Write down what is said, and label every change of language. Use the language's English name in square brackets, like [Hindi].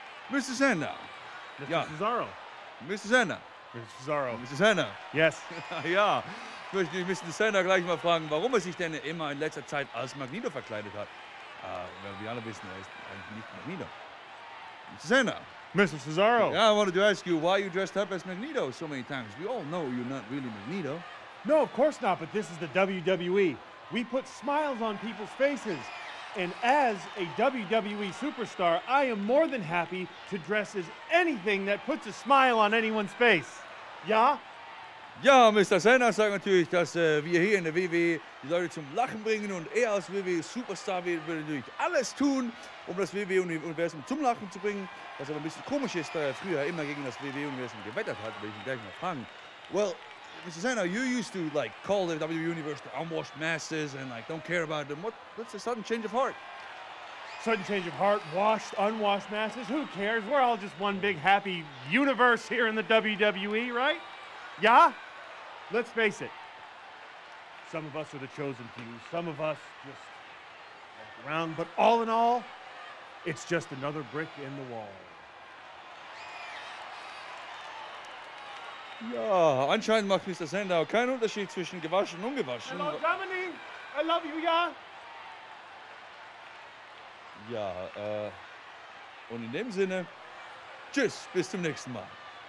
[English] Mr. Sandow. Cesaro. Mr. Sandow. Mr. Cesaro. Yes. [German] Ja, ich möchte mich Mr. Sandow gleich mal fragen, warum er sich denn immer in letzter Zeit als Magneto verkleidet hat. Weil wir alle wissen, er ist eigentlich nicht Magneto. [English] Mr. Sandow. Mr. Cesaro. Yeah, I wanted to ask you, why you dressed up as Magneto so many times? We all know you're not really Magneto. No, of course not, but this is the WWE. We put smiles on people's faces. And as a WWE superstar, I am more than happy to dress as anything that puts a smile on anyone's face. Yeah? [German] Ja, Mr. Sandow sagt natürlich, dass wir hier in der WWE die Leute zum Lachen bringen und er als WWE-Superstar würde natürlich alles tun, um das WWE-Universum zum Lachen zu bringen. Was aber ein bisschen komisch ist, da er früher immer gegen das WWE-Universum gewettert hat, will ich ihn gleich mal fragen. [English] Well, Mr. Sandow, you used to like call the WWE-Universe the unwashed masses and like don't care about them. What's the sudden change of heart? Sudden change of heart, washed, unwashed masses, who cares? We're all just one big happy universe here in the WWE, right? Yeah? Let's face it. Some of us are the chosen few. Some of us just walk around. But all in all, it's just another brick in the wall. [German] Ja, anscheinend macht Mr. Sandow keinen Unterschied zwischen gewaschen und ungewaschen. [English] Hello, Germany! I love you, yeah? [German] Ja, und in dem Sinne, tschüss, bis zum nächsten Mal.